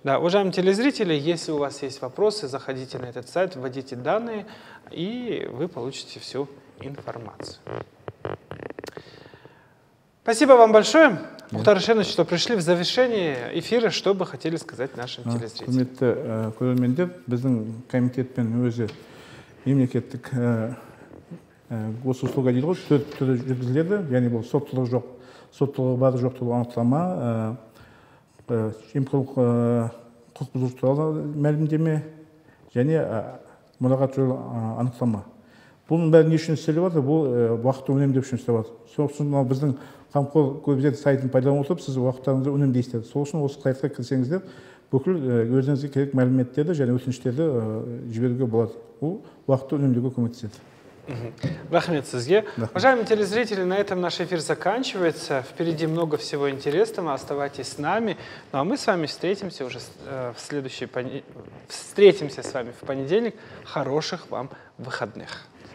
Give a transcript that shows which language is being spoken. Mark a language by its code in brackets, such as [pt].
[ru] Да, уважаемые телезрители, если у вас есть вопросы, заходите на этот сайт, вводите данные, и вы получите всю информацию. Спасибо вам большое. Мухтар Ашенович, что пришли в завершение эфира, что бы хотели сказать нашим телезрителям? [kk] Құрметті көрермендер, біздің комитетпен өзі мемлекеттік госуслуга дейді ғой, төрт түрі жүргізіледі, яғни бұл соттылығы жоқ, соттылығы бар жоқ туралы анықтама, құқық бұзушылық туралы мәлімдеме және мұрағат туралы анықтама. Бұның бәрі не үшін істеліп жатыр? Бұл уақытты үнемдеу үшін істеліп жатыр. Сосын біздің қамқор көбізет сайтын пайдаланып отырып, сіз уақыттарыңызды үнемдейсіздер. Сол үшін осы сайтқа кірсеңіздер, бүкіл өзіңізге керек мәліметтерді және өтініштерді жіберуге болады. Бұл уақытты үнемдеуге көмектеседі. Рахмет сізге. [ru] Уважаемые телезрители, на этом наш эфир заканчивается. Впереди много всего интересного. Оставайтесь с нами. Ну а мы с вами встретимся уже встретимся с вами в понедельник. Хороших вам выходных.